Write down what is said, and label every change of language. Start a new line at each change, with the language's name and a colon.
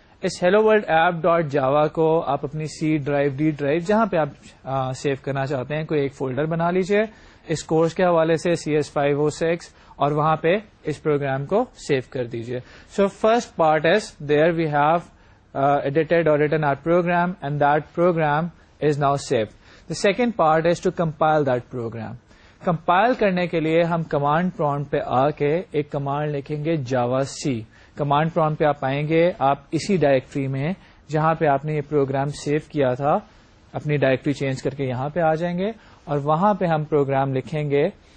Urdu: اس hello world app dot جاوا کو آپ اپنی سی ڈرائیو ڈی ڈرائیو جہاں پہ آپ سیو کرنا چاہتے ہیں کوئی ایک فولڈر بنا لیجئے اس کورس کے حوالے سے سی ایس 506 اور وہاں پہ اس پروگرام کو سیو کر دیجئے.
English: So first part is there we have edited or written our program and that program is now save. The second part is to compile that program.
Urdu: Compile کرنے کے لیے ہم کمانڈ پرومپٹ پہ آ کے ایک کمانڈ لکھیں گے جاوا سی. کمانڈ پرومپٹ پہ آپ آئیں گے آپ اسی ڈائریکٹری میں جہاں پہ آپ نے یہ پروگرام سیو کیا تھا, اپنی ڈائریکٹری چینج کر کے یہاں پہ آ جائیں گے اور وہاں پہ ہم پروگرام لکھیں گے.